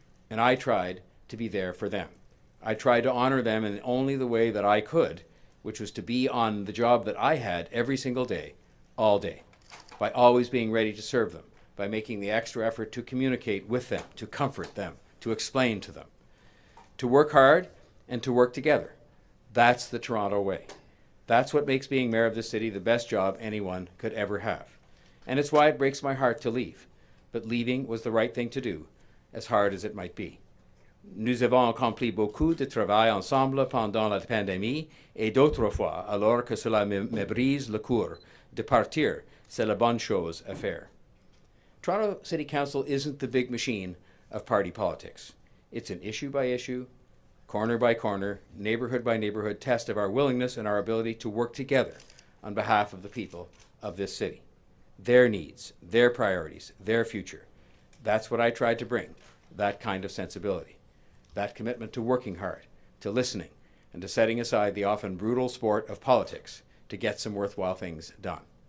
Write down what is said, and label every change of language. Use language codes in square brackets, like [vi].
[en] And I tried to be there for them. I tried to honor them in only the way that I could, which was to be on the job that I had every single day, all day, by always being ready to serve them, by making the extra effort to communicate with them, to comfort them, to explain to them, to work hard and to work together. That's the Toronto way. That's what makes being mayor of the city the best job anyone could ever have. And it's why it breaks my heart to leave. But leaving was the right thing to do, as hard as it might be. [fr] Nous avons accompli beaucoup de travail ensemble pendant la pandémie, et d'autres fois, alors que cela me brise le cœur, de partir, c'est la bonne chose à faire. [en] Toronto City Council isn't the big machine of party politics. It's an issue by issue, corner by corner, neighborhood by neighborhood test of our willingness and our ability to work together on behalf of the people of this city. Their needs, their priorities, their future. That's what I tried to bring, that kind of sensibility, that commitment to working hard, to listening, and to setting aside the often brutal sport of politics to get some worthwhile things done.